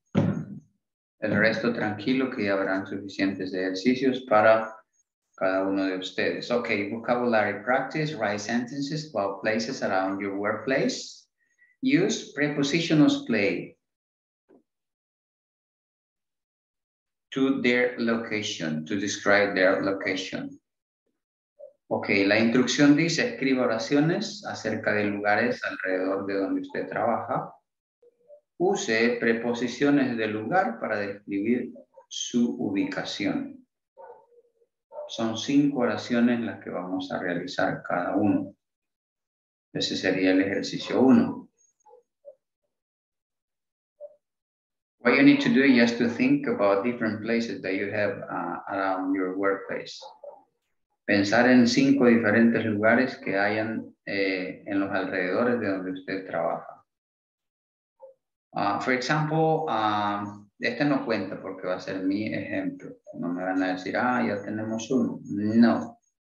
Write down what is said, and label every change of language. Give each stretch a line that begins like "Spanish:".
Spanish: El resto tranquilo, que ya habrán suficientes ejercicios para cada uno de ustedes.
English: Okay, vocabulary practice, write sentences about places around your workplace. Use prepositions play to their location, to describe their location.
Spanish: Okay, la instrucción dice, escriba oraciones acerca de lugares alrededor de donde usted trabaja. Use preposiciones de lugar para describir su ubicación. Son 5 oraciones las que vamos a realizar cada uno. Ese sería el ejercicio 1.
English: What you need to do is just to think about different places that you have around your workplace.
Spanish: Pensar en 5 diferentes lugares que hayan en los alrededores de donde usted trabaja.
English: For example,
Spanish: este no cuenta porque va a ser mi ejemplo. No me van a decir, ah, ya tenemos uno. No.